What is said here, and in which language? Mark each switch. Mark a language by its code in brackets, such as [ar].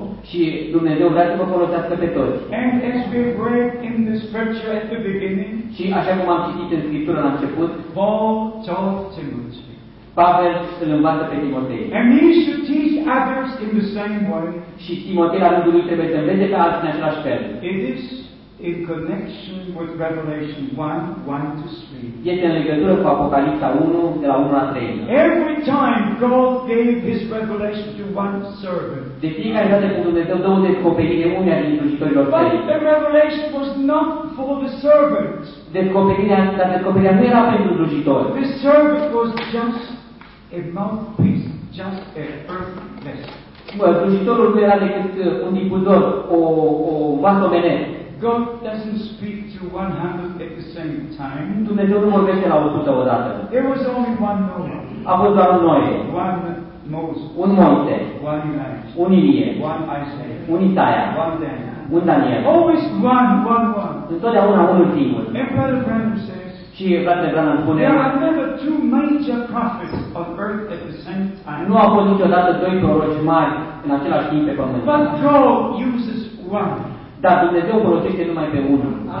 [ro] Și Dumnezeu vrea să vă folosească pe toți. [en] And as we read in the scripture at the beginning, [ro] și așa cum am citit în Scriptură la început, [en] Paul taught Timothy. [ro] Pavel îl învață pe Timotei. [en] And he should teach others in the same way. [ro] Și Timotei la rândul lui trebuie să învețe pe alții în același fel. [en] In connection with Revelation 1:1-3. [ro] Este în legătură cu Apocalipsa 1, de la 1 la 3. [en] Every time God gave His revelation to one servant. [ro] De fiecare dată când Dumnezeu dă o descoperire unuia din slujitorilor Săi. [en] But the revelation was not for the servant. [ro] Descoperirea nu era pentru slujitor. [en] The servant was just a mouthpiece, just an earth vessel. [ro] Slujitorul nu era decât un difuzor, o vasă omenesc. [en] God doesn't speak to 100 at the same time. [ro] Dumnezeu nu vorbește la 100 odată. [en] There was only one Noe. [ro] A fost doar un Noe. [en] One Moses. [ro] Un Moise. [en] One Elijah. [ro] Un Ilie. [en] One Isaiah. [ro] Un Isaia. [en] One Daniel. [ro] Un Daniel. [en] Always one. [ro] Întotdeauna unul singur. [en] And Brother Branham says. [ro] Și Brother Branham spune. [en] There are never two major prophets on earth at the same time. [ro] Nu a fost niciodată doi proroci mari în același timp pe pământ. [en] But God uses one. [ro] Dar Dumnezeu folosește numai pe unul.